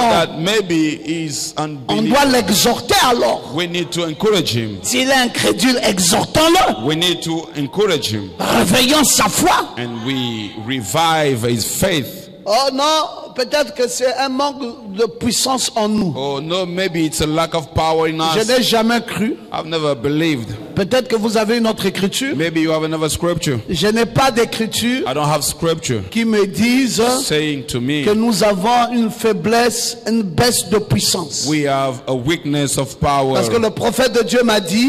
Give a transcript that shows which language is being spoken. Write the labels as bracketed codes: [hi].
[en] That maybe he's unbelieving. [fr] On doit l'exhorter alors. [en] We need to encourage him. [fr] S'il est incrédule, exhortons-le. [en] We need to encourage him. [fr] Réveillons sa foi. [en] And we revive his faith. [fr] Oh non, peut-être que c'est un manque de puissance en nous. [en] Oh no, maybe it's a lack of power in us. [fr] Je n'ai jamais cru. [en] I've never believed. [fr] Peut-être que vous avez une autre écriture. [en] Maybe you have another scripture. [fr] Je n'ai pas d'écriture. [en] I don't have scripture. [fr] Qui me dise [en] saying to me [fr] que nous avons une faiblesse, une baisse de puissance. [en] We have a weakness of power. [fr] Parce que le prophète de Dieu m'a dit.